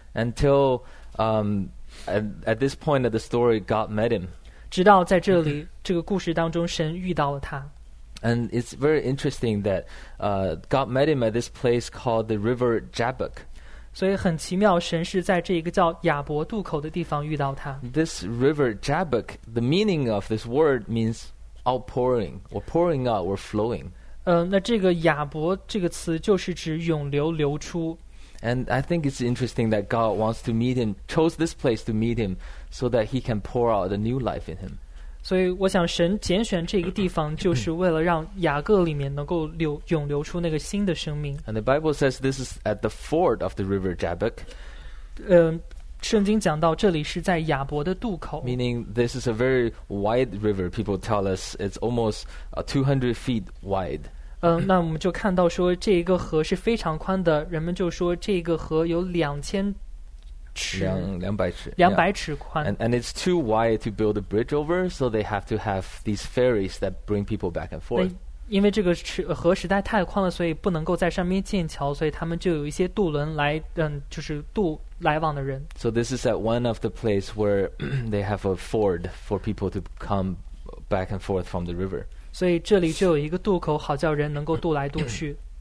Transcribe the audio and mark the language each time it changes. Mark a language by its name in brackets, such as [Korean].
[English] Until at this point of the story, God met him. [Chinese] 直到在这里，这个故事当中，神遇到了他。 [English] And it's very interesting that God met him at this place called the River Jabbok. [Chinese] 所以很奇妙，神是在这一个叫亚伯渡口的地方遇到他。 [English] This River Jabbok, the meaning of this word means outpouring, or pouring out, or flowing. [Chinese] 那这个亚伯这个词就是指涌流流出。 [English] And I think it's interesting that God wants to meet him, chose this place to meet him so that he can pour out a new life in him. [Chinese] 所以我想神拣选这个地方就是为了让雅各里面能够涌流出那个新的生命。 [English] And the Bible says this is at the ford of the river Jabbok. [Chinese] 圣经讲到这里是在亚伯的渡口。 [English] Meaning this is a very wide river. People tell us it's almost 200 feet wide. [Chinese] 那我们就看到说这一个河是非常宽的，人们就说这个河有2000尺，两百尺宽。 [English] And it's too wide to build a bridge over, so they have to have these ferries that bring people back and forth. [Chinese] 因为这个河实在太宽了，所以不能够在上面建桥，所以他们就有一些渡轮来，就是渡来往的人。 [English] So this is at one of the places where they have a ford for people to come back and forth from the river. [Chinese] 所以这里就有一个渡口，好叫人能够渡来渡去。